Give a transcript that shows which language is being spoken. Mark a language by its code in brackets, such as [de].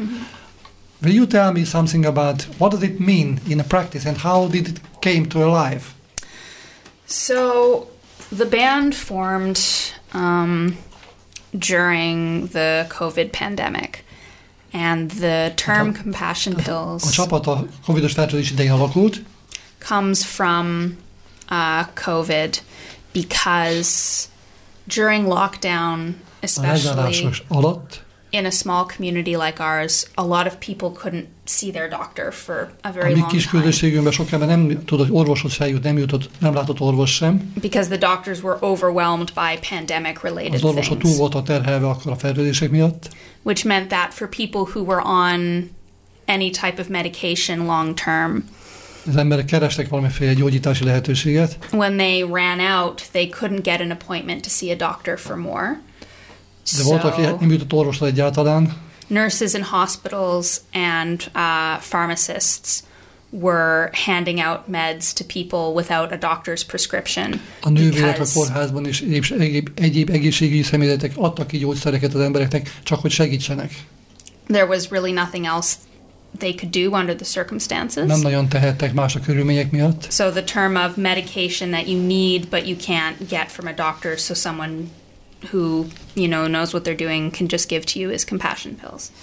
[en] Mm-hmm. Will you tell me something about what does it mean in practice and how did it came to life? So the band formed during the COVID pandemic, and the term Compassion Pills [hu] a csapat a COVID-os fertőzés idején alakult. [en] Comes from COVID because during lockdown, especially in a small community like ours, a lot of people couldn't see their doctor for a very long time. [hu] A kis közösségünkben sok ember nem tudott orvoshoz feljutni, nem látott orvos sem. [en] Because the doctors were overwhelmed by pandemic-related things. [hu] Az orvos túl volt a terhelve akkor a fertőzések miatt. [en] Which meant that for people who were on any type of medication long-term, [hu] az emberek kerestek valamiféle gyógyítási lehetőséget. [en] When they ran out, they couldn't get an appointment to see a doctor for more. [hu] De volt, aki nem jutott orvosra egyáltalán. [en] Nurses in hospitals and pharmacists were handing out meds to people without a doctor's prescription. [hu] A nővérek a kórházban is egyéb egészségügyi személyzetek adtak ki gyógyszereket az embereknek, csak hogy segítsenek. [en] There was really nothing else they could do under the circumstances. [hu] Nem nagyon tehettek más a körülmények miatt. [en] So the term of medication that you need but you can't get from a doctor, so someone who, you know, knows what they're doing can just give to you is compassion pills.